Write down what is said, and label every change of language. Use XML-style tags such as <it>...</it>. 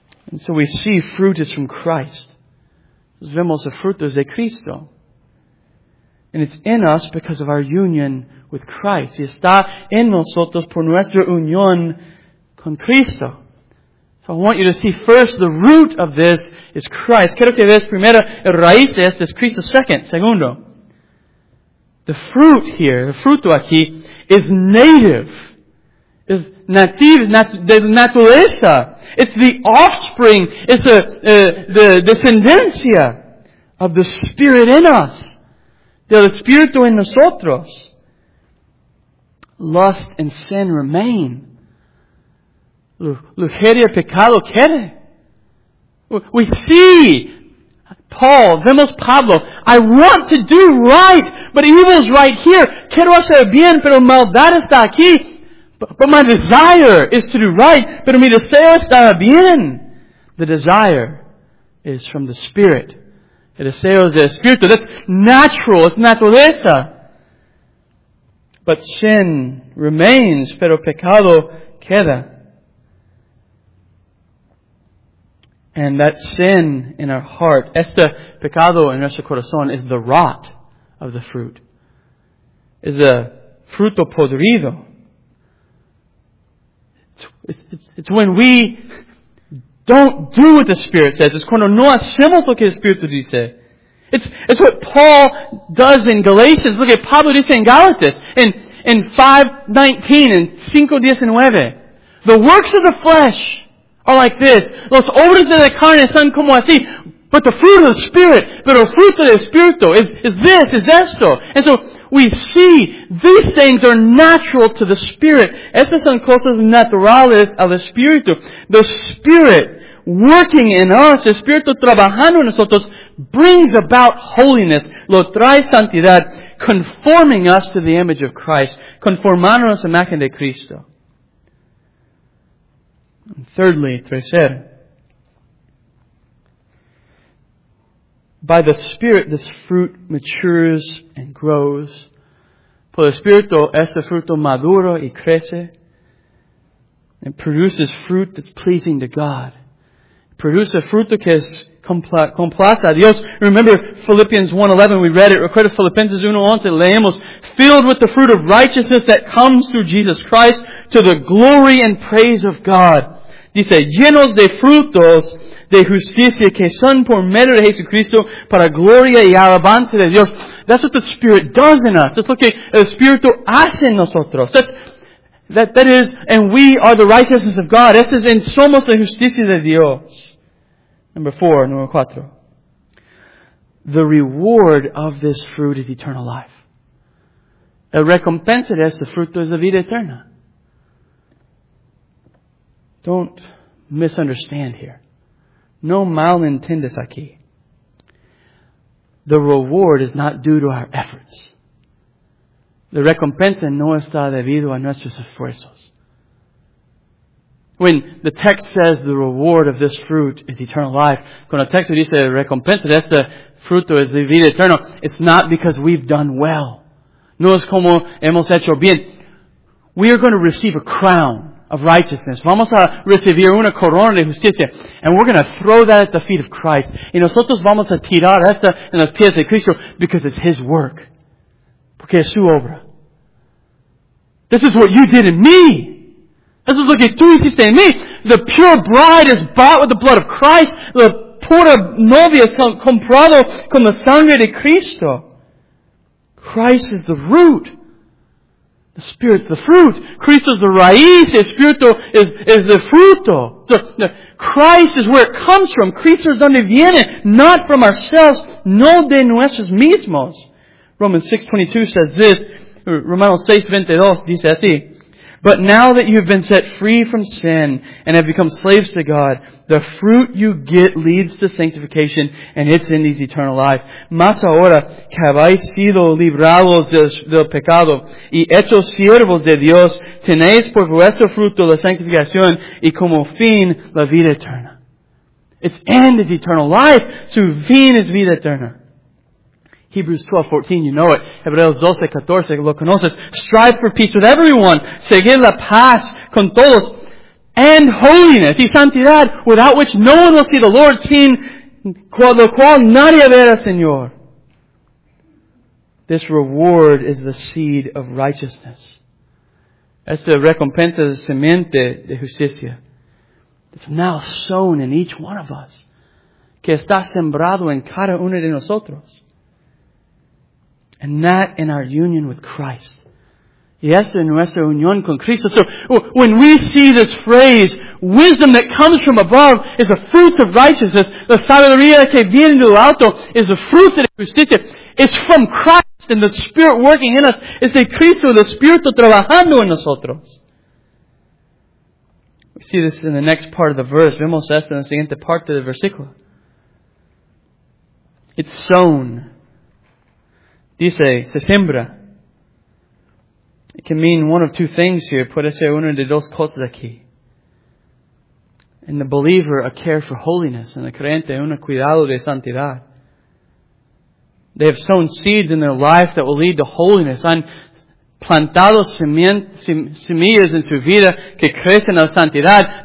<en>And so we see fruit is from Christ.</en> <es>Vemos el fruto es de Cristo.</es> <en>And it's in us because of our union with Christ.</en> <es>Y está en nosotros por nuestra unión con Cristo.</es> <en>So I want you to see first the root of this is Christ.</en> <es>Quiero que veas primero el raíz de esto es Cristo. Segundo.</es> <en>The fruit here,</en> <es>el fruto aquí,</es> <en>is native. Is native,</en> <es>de naturaleza.</es> <en>It's the offspring. It's the descendencia of the Spirit in us.</en> <es>Del Espíritu en nosotros.</es> <en>Lust and sin remain.</en> <es>Lujeria pecado quede.</es> <en>We see Paul,</en> <es>vemos Pablo.</es> <en>I want to do right, but evil is right here.</en> <es>Quiero hacer bien, pero maldad está aquí.</es> <en>But my desire is to do right,</en> <es>pero mi deseo está bien.</es> <en>The desire is from the Spirit.</en> <es>El deseo es el Espíritu.</es> <en>That's natural. It's</en> <es>naturaleza.</es> <en>But sin remains.</en> <es>Pero pecado queda.</es> <en>And that sin in our heart,</en> <es>este pecado en nuestro corazón,</es> <en>is the rot of the fruit. Is the</en> <es>fruto podrido.</es> <en>It's when we don't do what the Spirit says. It's</en> <es>cuando no hacemos lo que el Espíritu dice.</es> <en>It's what Paul does in Galatians. Look at</en> <es>Pablo dice en Galatas</es> <en>in 5:19 and 5:19. The works of the flesh are like this.</en> <es>Los obras de la carne son como así.</es> <en>But the fruit of the Spirit,</en> <es>pero el fruto del Espíritu</es> <en>is this, is</en> <es>esto.</es> <en>And so we see these things are natural to the Spirit.</en> <es>Estas son cosas naturales al Espíritu.</es> <en>The Spirit working in us,</en> <es>el Espíritu trabajando en nosotros,</es> <en>brings about holiness,</en> <es>lo trae santidad,</es> <en>conforming us to the image of Christ,</en> <es>conformándonos a la imagen de Cristo.</es> <en>And thirdly,</en> <es>tercer,</es> <en>by the Spirit, this fruit matures and grows.</en> <es>Por el Espíritu, este fruto maduro y crece,</es> <en>and produces fruit that's pleasing to God.</en> <es>Produce a fruto que es complace a Dios.</es> <en>Remember Philippians 1:11, we read it.</en> <es>Recuerda Filipenses 1:11, leemos.</es> <en>Filled with the fruit of righteousness that comes through Jesus Christ to the glory and praise of God.</en> <es>Dice, llenos de frutos de justicia que son por medio de Jesucristo para gloria y alabanza de Dios.</es> <en>That's what the Spirit does in us. That's</en> <es>lo que el Espíritu hace en nosotros.</es> <en>That is, and we are the righteousness of God.</en> <es>Este es, en somos la justicia de Dios. Número cuatro. The reward of this fruit is eternal life. La recompensa de este fruto es la vida eterna.</es> <en>Don't misunderstand here.</en> <es>No mal entiendes aquí.</es> <en>The reward is not due to our efforts.</en> <es>La recompensa no está debido a nuestros esfuerzos.</es> <en>When the text says the reward of this fruit is eternal life,</en> <es>cuando el texto dice la recompensa de este fruto es la vida eterna,</es> <en>it's not because we've done well.</en> <es>No es como hemos hecho bien.</es> <en>We are going to receive a crown of righteousness.</en> <es>Vamos a recibir una corona de justicia.</es> <en>And we're going to throw that at the feet of Christ.</en> <es>Y nosotros vamos a tirar esta en los pies de Cristo</es> <en>because it's His work.</en> <es>Porque es su obra.</es> <en>This is what you did in me. This is</en> <es>lo que tú hiciste en mí.</es> <en>The pure bride is bought with the blood of Christ.</en> <es>La pura novia es comprado con la sangre de Cristo.</es> <en>Christ is the root. The Spirit is the fruit.</en> <es>Cristo</es> <en>is the</en> <es>raíz. El Espíritu is the fruto.</es> <en>So, Christ is where it comes from.</en> <es>Cristo es donde viene.</es> <en>Not from ourselves.</en> <es>No de nuestros mismos.</es> <en>Romans 6:22 says this.</en> <es>Romanos 6:22 dice así.</es> <en>But now that you have been set free from sin and have become slaves to God, the fruit you get leads to sanctification and it's in these eternal life.</en> <es>Mas ahora que habéis sido librados del pecado y hechos siervos de Dios, tenéis por vuestro fruto la sanctificación y como fin la vida eterna.</es> <en>Its end is eternal life.</en> <es>Su fin es vida eterna.</es> <en>Hebrews 12:14, you know it.</en> <es>Hebreos 12:14, lo conoces.</es> <en>Strive for peace with everyone.</en> <es>Seguir la paz con todos.</es> <en>And holiness.</en> <es>Y santidad,</es> <en>without which no one will see the Lord.</en> <es>Sin lo cual nadie verá, Señor.</es> <en>This reward is the seed of righteousness.</en> <es>Esta recompensa es semente de justicia.</es> <en>It's now sown in each one of us.</en> <es>Que está sembrado en cada uno de nosotros.</es> <en>And that in our union with Christ. Yes, in</en> <es>nuestra unión con Cristo.</es> <en>So when we see this phrase, wisdom that comes from above is a fruit of righteousness.</en> <es>La sabiduría que viene de lo alto</es> <en>is a fruit of</en> <es>justicia.</es> <en>It's from Christ and the Spirit working in us.</en> <es>Es de Cristo, el Espíritu trabajando en nosotros.</es> <en>We see this in the next part of the verse.</en> <es>Vemos esto en la siguiente parte del versículo.</es> <en>It's sown.</en> <es>Dice, se siembra.</es> <en>It can mean one of two things here.</en> <es>Puede ser una de dos cosas aquí.</es> <en>In the believer, a care for holiness. In the</en> <es>creyente, un cuidado de santidad.</es> <en>They have sown seeds in their life that will lead to holiness.</en> <es>Han plantado semillas en su vida que crecen a santidad.</es>